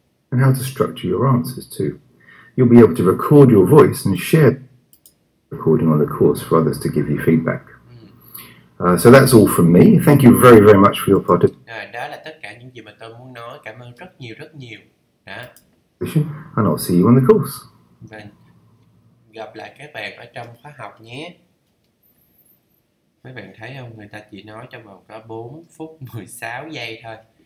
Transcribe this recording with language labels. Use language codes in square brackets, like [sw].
[en] And how to structure your answers too. You'll be able to record your voice and share the recording on the course for others to give you feedback. So that's all from me. Thank you very, very much for your participation. [vi] Đó là tất cả những gì mà tôi muốn nói. Cảm ơn rất nhiều, rất nhiều. Đó. [en] And I'll see you on the course. [vi] Và gặp lại các bạn ở trong khóa học nhé. Mấy bạn thấy không? Người ta chỉ nói trong vòng có 4 phút 16 giây thôi.